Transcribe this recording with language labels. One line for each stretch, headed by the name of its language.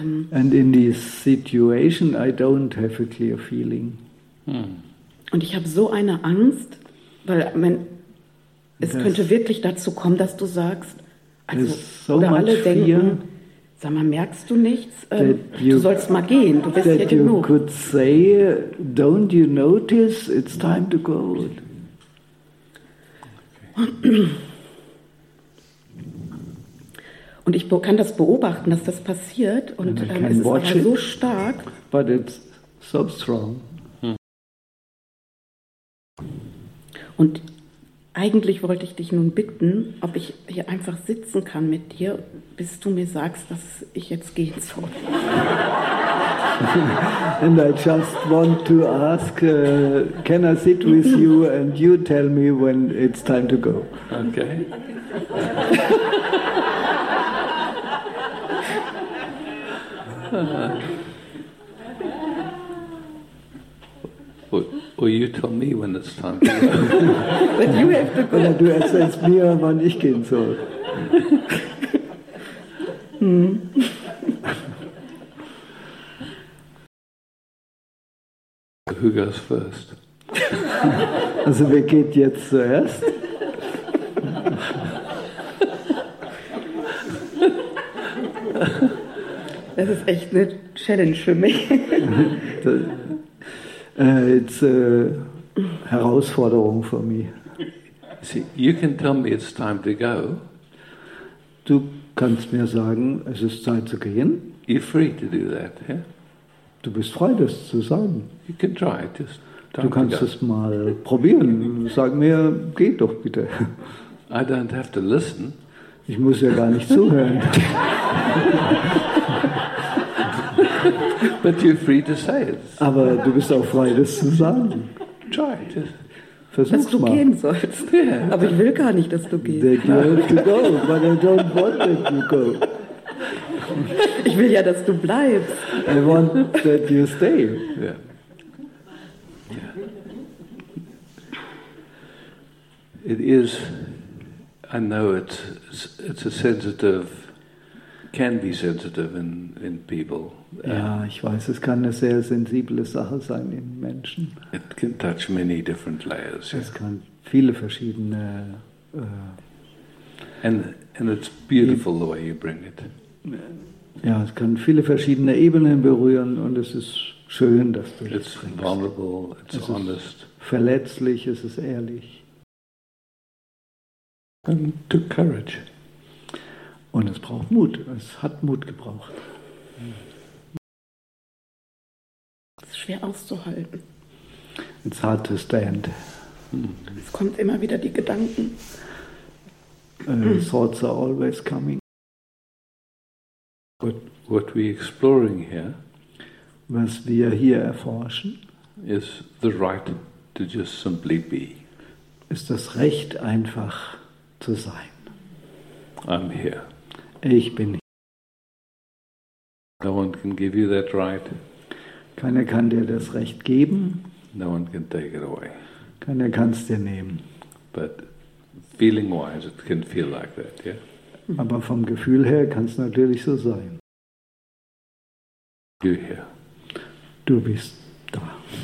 English: And in the situation, I don't have a clear feeling. Hmm.
German: Und ich habe so eine Angst, weil es könnte wirklich dazu kommen, dass du sagst, also so alle denken, sag mal, merkst du nichts? Du sollst mal gehen, du bist hier genug.
English: That you could say, don't you notice, it's time to go.
German: Und ich kann das beobachten, dass das passiert und es ist aber so stark.
English: But it's so strong.
German: Und eigentlich wollte ich dich nun bitten, ob ich hier einfach sitzen kann mit dir, bis du mir sagst, dass ich jetzt gehen soll.
English: And I just want to ask, can I sit with you and you tell me when it's time to go? Okay. Or you tell me when it's time to go. But you have to go.
German: Oder du erzählst mir, wann ich gehen soll.
English: Who goes first?
German: Also wer geht jetzt zuerst? Das ist echt eine Challenge für mich.
English: It's a
German: Herausforderung für mich.
English: See, you can tell me it's time to go.
German: Du kannst mir sagen, es ist Zeit zu gehen.
English: You're free to do that, yeah?
German: Du bist frei, das zu sagen.
English: You can try it. Just time
German: du kannst es mal probieren. Sag mir, geh doch bitte.
English: I don't have to listen.
German: Ich muss ja gar nicht zuhören.
English: But you're free to say it.
German: Aber du bist auch frei, das zu sagen.
English: Try it.
German: Versuch's dass du mal. Gehen sollst. Yeah. Aber ich will gar nicht, dass du gehst.
English: That you have to go, but I don't want that you go.
German: Ich will ja, dass du bleibst.
English: I want that you stay. Yeah. It is, I know it's a sensitive, can be sensitive in people.
German: Ja, ich weiß, es kann eine sehr sensible Sache sein in Menschen.
English: It can touch many different layers.
German: Es kann viele verschiedene.
English: And it's beautiful the way you bring it.
German: Ja, es kann viele verschiedene Ebenen berühren und es ist schön, dass du
English: it's
German: das bringst.
English: Vulnerable, it's
German: es
English: honest.
German: Ist verletzlich, es ist ehrlich.
English: And took courage.
German: Und es braucht Mut. Es hat Mut gebraucht. Es ist schwer auszuhalten.
English: It's hard to stand.
German: Es kommt immer wieder die Gedanken.
English: Thoughts are always coming. What we exploring here,
German: was wir hier erforschen,
English: is the right to just simply be.
German: Ist das Recht, einfach zu sein.
English: I'm here.
German: Ich bin hier.
English: No one can give you that right.
German: Keiner kann dir das Recht geben.
English: No one can take it away.
German: Keiner kann es dir nehmen.
English: But feeling wise, it can feel like that, yeah?
German: Aber vom Gefühl her kann es natürlich so sein.
English: You're here.
German: Du bist da.